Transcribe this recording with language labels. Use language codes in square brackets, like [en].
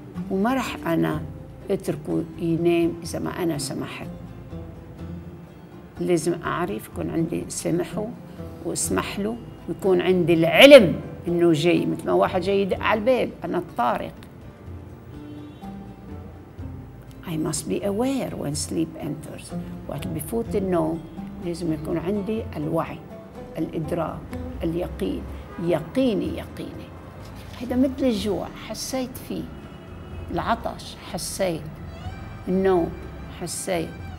[ar] وما رح أنا أتركه ينام إذا ما أنا سمحت، لازم أعرف يكون عندي سمحه وأسمح له، ويكون عندي العلم إنه جاي، مثل ما واحد جاي يدق على الباب أنا الطارق. [en] I must be aware when sleep enters. [ar] وقت بفوت النوم لازم يكون عندي الوعي، الإدراك، اليقين، يقيني يقيني. هيدا مثل الجوع حسيت فيه، العطش حسيت، النوم حسيت.